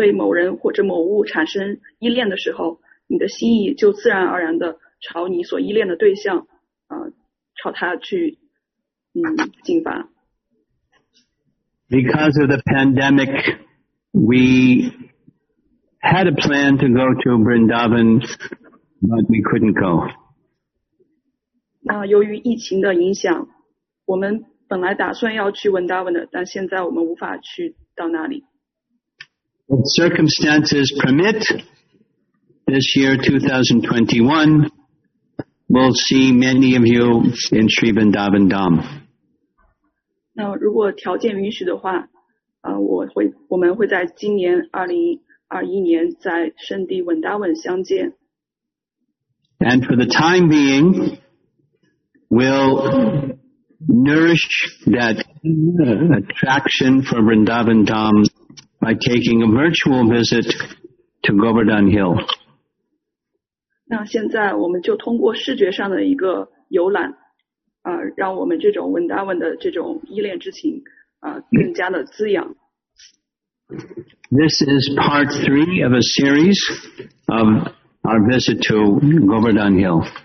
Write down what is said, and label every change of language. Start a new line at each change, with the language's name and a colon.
Chinese: 那当你一旦对某人或者某物产生依恋的时候, 你的心意就自然而然地朝你所依恋的对象, 朝他去, 进发。
English: Because of the pandemic, we had a plan to go to Vrindavan, but we couldn't go.
Chinese: 那由于疫情的影响, 我们本来打算要去文达文的, 但现在我们无法去到那里。
English: If circumstances permit, this year 2021, we'll see many of you in Sri Vrindavan Dham.
Chinese: 那如果条件允许的话, 我们会在今年 2021年在圣地文达文相见。
English: And for the time being, we'll nourish that attraction for Vrindavan Dham by taking a virtual visit to Govardhan Hill.
Chinese: 那现在我们就通过视觉上的一个游览, 让我们这种文达文的这种依恋之情, 更加的滋养。
English: This is part three of a series of our visit to Govardhan Hill.